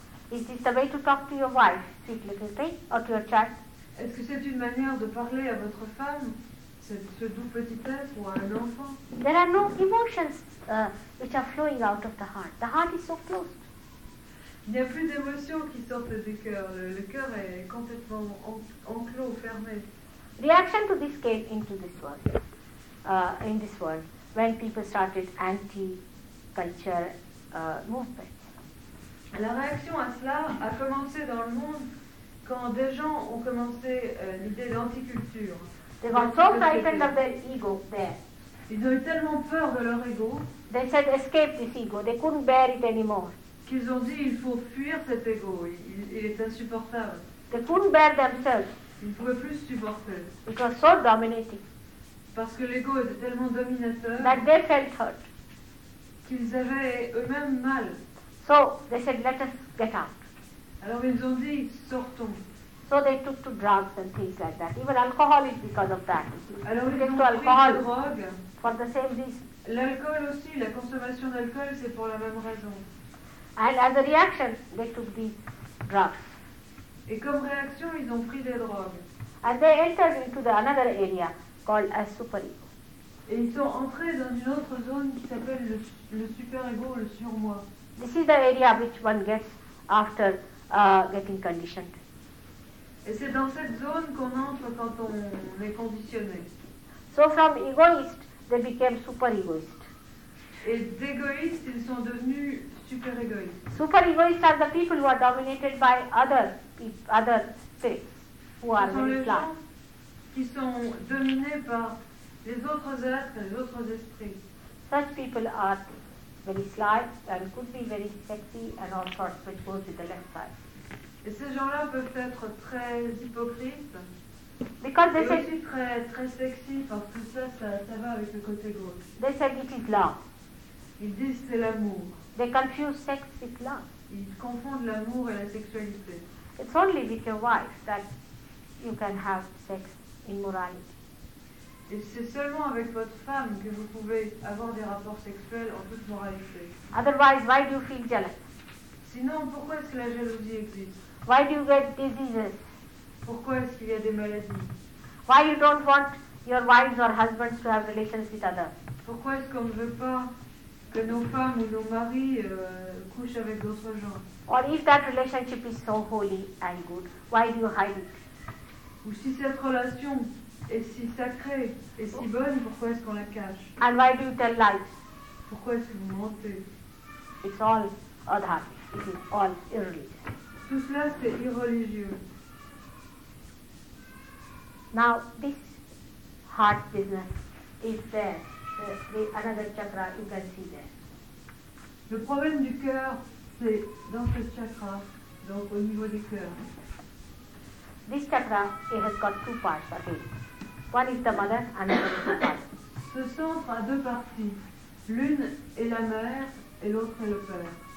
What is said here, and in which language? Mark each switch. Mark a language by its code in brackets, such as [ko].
[en] Is this the way to talk to your wife, sweet little thing, or to your child? [fr] Est-ce que c'est une manière de parler à votre femme, ce doux petit être ou à un enfant? [en] There are no emotions which are flowing out of the heart. The heart is so closed. [fr] Il n'y a plus d'émotions qui sortent du cœur. Le cœur est complètement enclos, fermé. [en] Reaction to this came into this world. In this world, when people started anti-culture movement. [fr] La réaction à cela a commencé dans le monde quand des gens ont commencé l'idée d'anticulture. [en] They were so frightened of their ego there. [fr] Ils ont eu tellement peur de leur ego. [en] They said, escape this ego. They couldn't bear it anymore. [fr] qu'ils ont dit, il faut fuir cet ego, il est insupportable. [en] They couldn't bear themselves. [fr] Ils ne pouvaient plus supporter. [en] It was so dominating. [fr] Parce que l'ego était tellement dominateur. [en] That they felt hurt. [fr] Qu'ils avaient eux-mêmes mal. [en] So they said, let us get out. [fr] Alors ils ont dit, sortons. [en] So they took to drugs and things like that. Even alcohol is because of that. [fr] Alors ils ont pris des drogues. [en] For the same reason. [fr] L'alcool aussi, la consommation d'alcool, c'est pour la même raison. [en] And as a reaction, they took these drugs. [fr] Et comme réaction, ils ont pris des drogues. [en] And they entered into the another area called a superego. [fr] Et ils sont entrés dans une autre zone qui s'appelle le superego, le surmoi. [en] This is the area which one gets after getting conditioned. [fr] Et c'est dans cette zone qu'on entre quand on est conditionné. [en] So from egoist, they became superegoist. [fr] Et d'égoïstes, ils sont devenus superégoïstes. [en] Superegoists are the people who are dominated by other spirits who are in class. [fr] Qui sont dominés par les autres êtres, les autres esprits. [en] Such people are very sly and could be very sexy and all sorts, which goes with the left side. [fr] Et ces gens-là peuvent être très hypocrites. [en] Because they [fr] et [en] said, [fr] aussi très sexy, parce que ça va avec le côté gauche. [en] They said it is love. [fr] Ils disent c'est l'amour. [en] They confuse sex with love. [fr] Ils confondent l'amour et la sexualité. [en] It's only with your wife that you can have sex immorality. [fr] Et c'est seulement avec votre femme que vous pouvez avoir des rapports sexuels en toute moralité. [en] Otherwise, why do you feel jealous? [fr] Sinon, pourquoi est-ce que la jalousie existe? [en] Why do you get diseases? [fr] Pourquoi est-ce qu'il y a des maladies? [en] Why you don't want your wives or husbands to have relations with others? [fr] Pourquoi est-ce qu'on ne veut pas que nos femmes ou nos maris couchent avec d'autres gens? [en] Or if that relationship is so holy and good, why do you hide it? [fr] Ou si cette relation est si sacrée et si bonne, pourquoi est-ce qu'on la cache? [en] And why do you tell lies? [fr] Pourquoi est-ce que vous mentez? [en] It's all adhar. It is all irreligious. [fr] Tout cela, c'est irreligieux. [en] Now, this heart business is there. The another chakra, you can see there. [fr] Le problème du cœur, c'est dans ce chakra, donc au niveau du cœur. [en] This chakra, it has got two parts, again. One is the mother, another is the father. [fr] Ce centre a deux parties. L'une est la mère, et l'autre est le père.